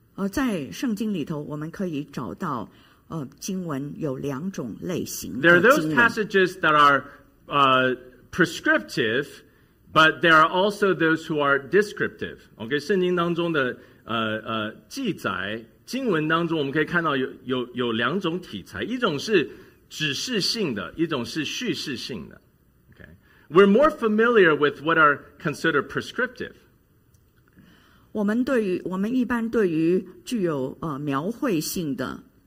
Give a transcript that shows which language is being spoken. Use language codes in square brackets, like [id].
[zh] 在圣经里头，我们可以找到经文有两种类型。 [en] There are those passages that are prescriptive, but there are also those who are descriptive. [zh] Okay, 圣经当中的记载，经文当中我们可以看到有两种题材，一种是指示性的，一种是叙事性的。 [en] Okay, we're more familiar with what are considered prescriptive. [zh] 我们一般对于具有描绘性的